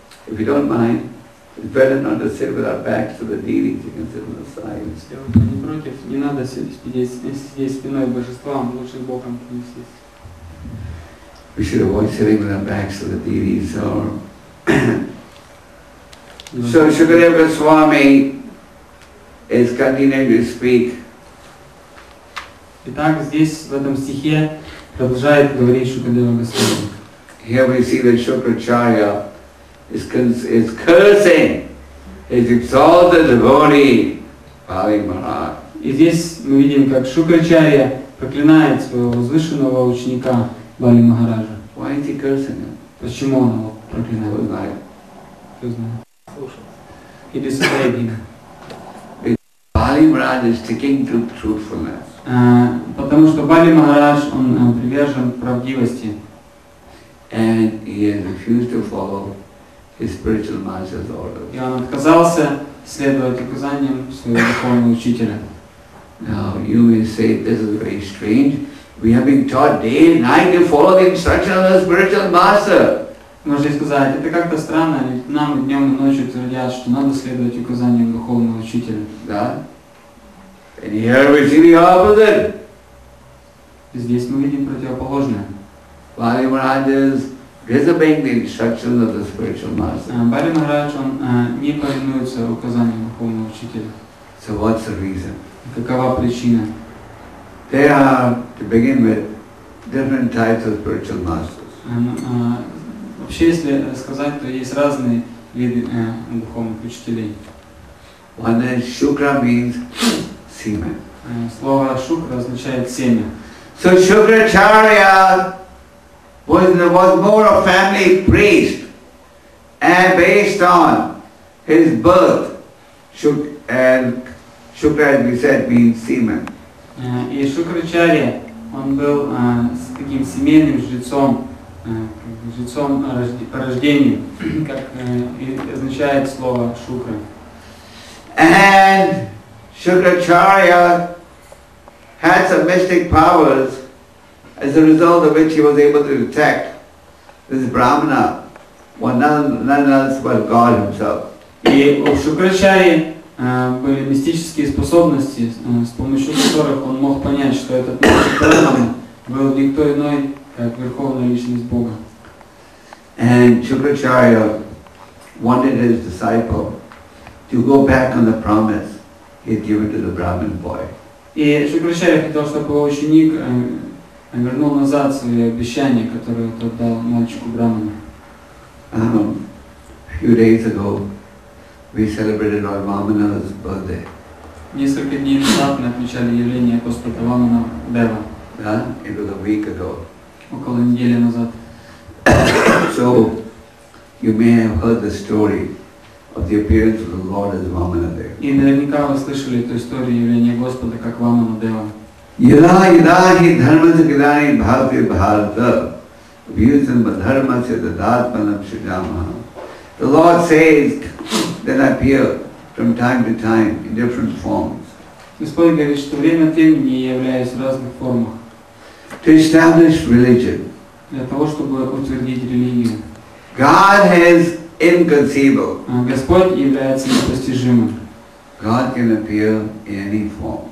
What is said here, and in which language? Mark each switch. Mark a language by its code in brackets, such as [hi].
[en] If you don't mind, it's better not to sit with our backs to the deities, you can sit on the sides. [ru] Не против, не надо сидеть спиной божествам, лучше боком к ним сесть. [en] We should avoid sitting with our backs to the deities, or so Shukadeva Goswami is continuing to speak. [ru] Итак, здесь в этом стихе продолжает говорить Шукадева Госвами. [en] Here we see that Shukracharya is cursing his exalted devotee Bali Maharaj. [ru] И здесь мы видим, как Шукрачарья проклинает своего возвышенного ученика Бали Махараджа. [en] Why is he cursing him? [ru] Почему он его проклинает? Кто знает. Кто знает. Слушал. [en] He disobeyed him. Бали Махарадж is sticking to truthfulness. [ru] Потому что Бали Махарадж, он привержен правдивости. [en] And he has refused to follow his spiritual master's orders. [ru] И он отказался следовать указаниям своего духовного учителя. [en] Now you may say this is very strange. We have been taught day and night to follow the instruction of the spiritual master. [ru] Можете сказать, это как-то странно, ведь нам днем и ночью твердят, что надо следовать указаниям духовного учителя. Да? [en] And here we see the opposite. [ru] И здесь мы видим противоположное. [en] Bali Maharaja is disobeying the instructions of the spiritual master. [ru] Bali Maharaja, он не повинуется указаниям духовного учителя. [en] So what's the reason? [ru] Какова причина? [en] They are, to begin with, different types of spiritual masters. [ru] Вообще, если сказать, то есть разные виды духовных учителей. [en] One is shukra, means semen. [ru] Слово шукра означает семя. [en] So shukracharya was more a family priest, and based on his birth, shukra, as we said, means semen. [ru] И Шукрачарья, он был с таким семейным жрецом, жрецом по рождению, как означает слово Шукра. [en] And Шукрачарья had some mystic powers, as a result of which he was able to detect this Brahmana, none else but God himself. [ru] И у Шукрачарьи были мистические способности, с помощью которых он мог понять, что этот Брахман был никто иной, как Верховная Личность Бога. [en] And Shukracharya wanted his disciple to go back on the promise he had given to the Brahmin boy. [ru] И Шукрачарья хотел, чтобы его ученик вернул назад свои обещания, которые тот дал мальчику Брахману. [en] A few days ago, we celebrated Lord Vamana's birthday. [ru] Несколько дней назад мы отмечали явление Господа Вамана Дева. Да? [en] It was a week ago. [ru] Около недели назад. [en] So, you may have heard the story of the appearance of the Lord as Vamana Dev. [ru] И наверняка вы слышали эту историю явления Господа как Вамана Дева. [sa] Yada yada hi dharma jagadani bhavati bharata vyusamba dharma se dadatmanam shidamaha. [en] The Lord says, then appear from time to time in different forms. [ru] Господь говорит, что время от времени я являюсь в разных формах. [en] To establish religion. [ru] Для того, чтобы утвердить религию. [en] God is inconceivable. [ru] Господь является непостижимым. [en] God can appear in any form.